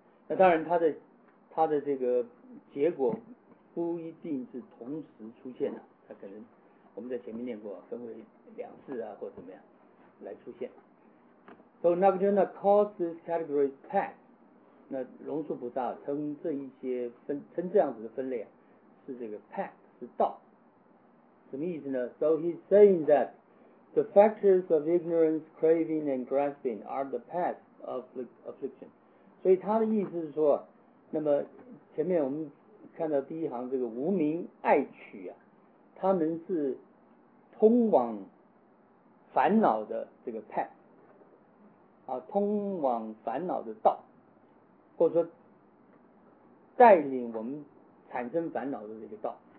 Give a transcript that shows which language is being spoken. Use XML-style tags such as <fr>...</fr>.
<zh>那当然它的这个结果不一定是同时出现的，它可能我们在前面念过，分为两次啊，或怎么样来出现。</zh> <en>So Nagarjuna calls this category pack。</en> <zh>那龙树菩萨称这一些分称这样子的分类啊，是这个 pack 是道。什么意思呢</zh> <en>？So he's saying that the factors of ignorance, craving, and grasping are the path of affliction。</en> <zh>所以他的意思是说，那么前面我们看到第一行这个无明爱取啊，他们是通往烦恼的这个 path 啊，通往烦恼的道，或者说带领我们产生烦恼的这个道。</zh>